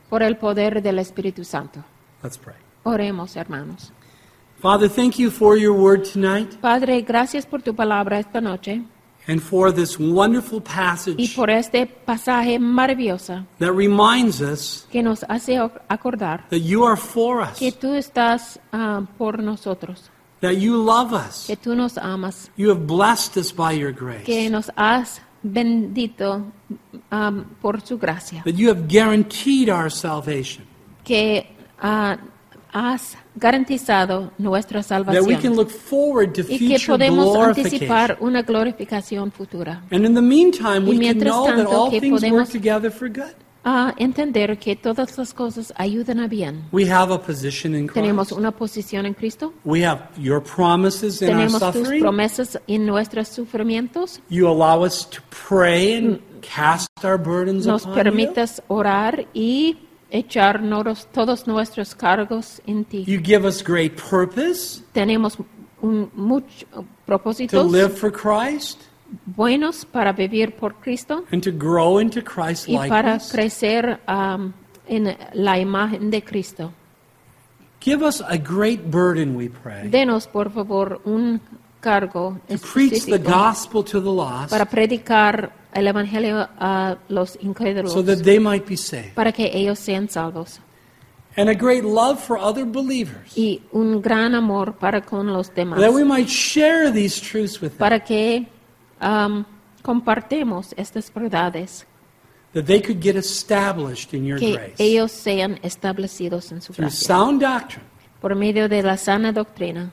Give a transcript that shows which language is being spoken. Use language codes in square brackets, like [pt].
[es] Por el poder del Espíritu Santo. [en] Let's pray. [es] Oremos, hermanos. [en] Father, thank you for your word tonight. [es] Padre, gracias por tu palabra esta noche. [en] And for this wonderful passage. [es] Y por este pasaje maravilloso. [en] That reminds us. [es] Que nos hace acordar. [en] That you are for us. [es] Que tú estás por nosotros. [en] That you love us. [es] Que tú nos amas. [en] You have blessed us by your grace. [es] Que nos has bendito por su gracia. [en] That you have guaranteed our salvation. [es] Que has garantizado nuestra salvación. [en] That we can look forward to future glorification. [es] Y que podemos anticipar una glorificación futura. [en] And in the meantime, we can know [es] tanto, [en] that all things work together for good. [es] Entender que todas las cosas ayudan a bien. [en] We have a position in Christ. [es] Tenemos una posición en Cristo. [en] We have your promises in [es] tenemos [en] our suffering. [es] Tus promesas en nuestros sufrimientos. [en] You allow us to pray and cast our burdens [es] nos [en] upon [es] nos permites [en] you. [es] Orar y echar todos nuestros cargos en ti. [en] You give us great purpose. [es] Tenemos muchos propósitos. [en] To live for Christ. [es] Buenos para vivir por Cristo [en] and to grow into Christ's [es] likeness. Y para crecer en la imagen de Cristo. [en] Give us a great burden, we pray. [es] Denos, por favor, un cargo [en] to preach the gospel to the lost. [es] Para predicar el evangelio a los incrédulos. [en] So that they might be saved. [es] Para que ellos sean salvos. [en] And a great love for other believers. [es] Y un gran amor para con los demás. [en] That we might share these truths with [es] para [en] them. [es] Que compartemos estas verdades. [en] That they could get established in your [es] que [en] grace. [es] Que ellos sean establecidos en su [en] through [es] gracia. [en] Sound doctrine. [es] Por medio de la sana doctrina.